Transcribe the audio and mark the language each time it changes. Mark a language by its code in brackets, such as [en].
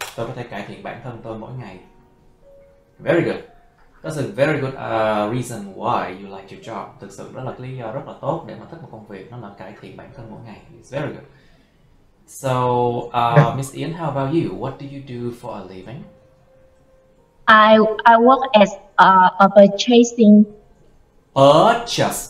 [vi] Tôi có thể cải thiện bản thân tôi mỗi ngày. [en] Very good. That's a very good reason why you like your job. [vi] Thực sự đó là lý do rất là tốt để mà thích một công việc. Nó là cải thiện bản thân mỗi ngày. [en] It's very good. So, Miss Yen, how about you? What do you do for a living? I work as a purchasing purchase.